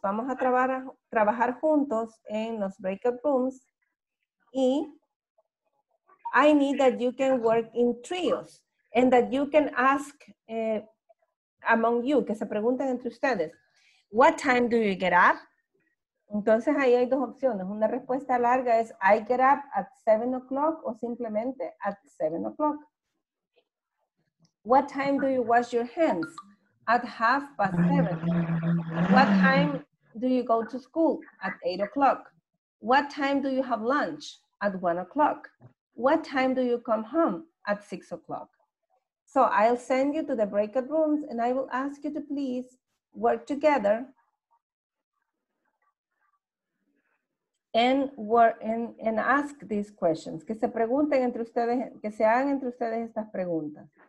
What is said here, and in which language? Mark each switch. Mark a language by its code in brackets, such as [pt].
[es] Vamos a trabajar juntos en los breakout rooms. [en] Y I need that you can work in trios and that you can ask among you, [es] que se pregunten entre ustedes, [en] what time do you get up? [es] Entonces ahí hay dos opciones. Una respuesta larga es [en] I get up at 7 o'clock [es] o simplemente [en] at 7 o'clock. What time do you wash your hands? At 7:30. What time do you go to school? At 8 o'clock. What time do you have lunch? At 1 o'clock. What time do you come home? At 6 o'clock. So I'll send you to the breakout rooms and I will ask you to please work together and ask these questions. [es] Que se pregunten entre ustedes, que se hagan entre ustedes estas preguntas.